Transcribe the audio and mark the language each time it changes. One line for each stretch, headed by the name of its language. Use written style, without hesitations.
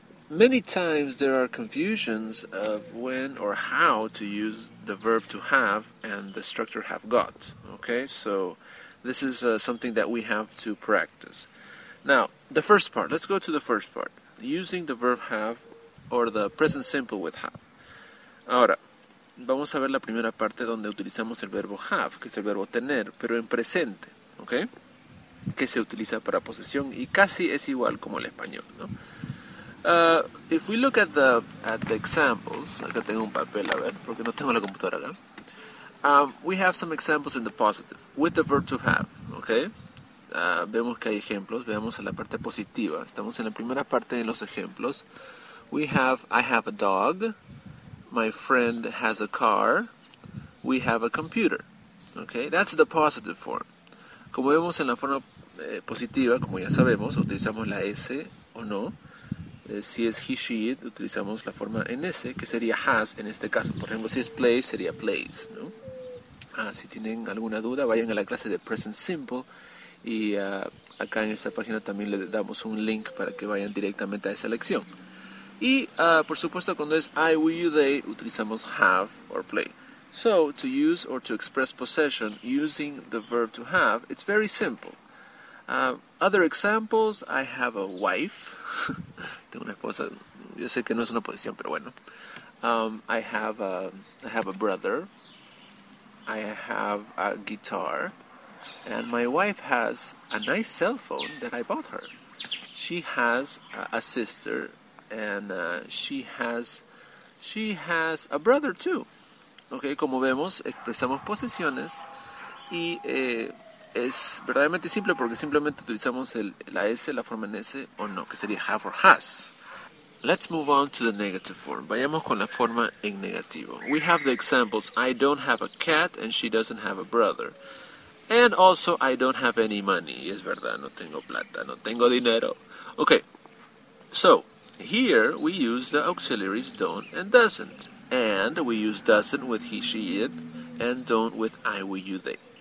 English: Many times there are confusions of when or how to use the verb to have and the structure have got, okay? So this is something that we have to practice. Now, the first part, let's go to the first part. Using the verb have or the present simple with have.
Spanish: Ahora, vamos a ver la primera parte donde utilizamos el verbo have, que es el verbo tener, pero en presente, okay? Que se utiliza para posesión y casi es igual como el español, ¿no?
English: If we look at the examples,
Spanish: acá tengo un papel, a ver, porque no tengo la computadora acá.
English: We have some examples in the positive, with the verb to have, okay?
Spanish: Vemos que hay ejemplos, veamos en la parte positiva. Estamos en la primera parte de los ejemplos.
English: I have a dog, my friend has a car, we have a computer, okay? That's the positive form.
Spanish: Como vemos en la forma positiva, como ya sabemos, utilizamos la S o no. Si es he, she, it, utilizamos la forma en S, que sería has en este caso. Por ejemplo, si es plays, sería plays, ¿no? Si tienen alguna duda, vayan a la clase de Present Simple. Y acá en esta página también les damos un link para que vayan directamente a esa lección. Y, por supuesto, cuando es I, we, you, they, utilizamos have or play.
English: So, to use or to express possession using the verb to have, it's very simple. Other examples, I have a wife.
Spanish: Tengo una esposa, yo sé que no es una posición, pero bueno.
English: I have a brother, I have a guitar, and my wife has a nice cell phone that I bought her. She has a sister, and she has a brother too.
Spanish: Okay, como vemos, expresamos posesiones, y es verdaderamente simple porque simplemente utilizamos la S, la forma en S o no, que sería have or has.
English: Let's move on to the negative form.
Spanish: Vayamos con la forma en negativo.
English: We have the examples, I don't have a cat and she doesn't have a brother. And also, I don't have any money.
Spanish: Y es verdad, no tengo plata, no tengo dinero.
English: Okay, so here we use the auxiliaries don't and doesn't. And we use doesn't with he, she, it, and don't with I, we, you, they.